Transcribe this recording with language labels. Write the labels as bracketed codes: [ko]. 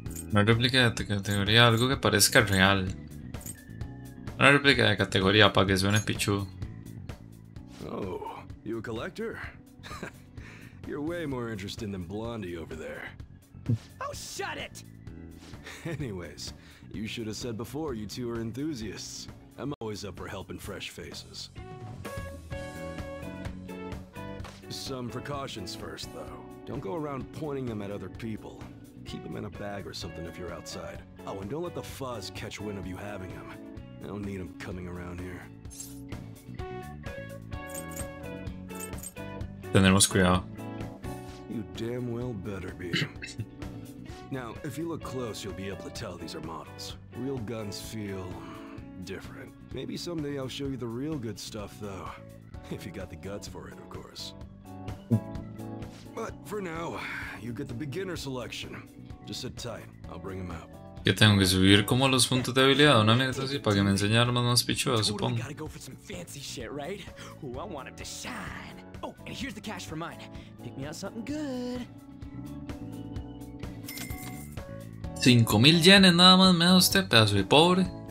[es] Una réplica de categoría, algo que parezca real. Una réplica de categoría para que suene pichu. [en] Oh, you a collector? You're way more interesting than Blondie over there. Oh, shut it! Anyways, you should have said before you two are enthusiasts. I'm always up for helping fresh faces. Some precautions first, though. Don't go around pointing them at other people. Keep them in a bag or something if you're outside. Oh, and don't let the fuzz catch wind of you having them. I don't need them coming around here. Then there was Creole. You damn well better be. Now, if you look close, you'll be able to tell these are models. Real guns feel different. Maybe someday I'll show you the real good stuff, though. If you got the guts for it, of course. But for now, you get the beginner selection. Just sit tight. I'll bring him out. [es] Que tengo que subir como los puntos de habilidad, ¿no? Mira, así para que me enseñe armas más pichudas, supongo. [en] Gotta go for some fancy shit, right? Ooh, I want him to shine. Oh, and here's the cash for mine. Pick me out something good. [es] 5000 yenes nada más me da usted, pedazo de pobre.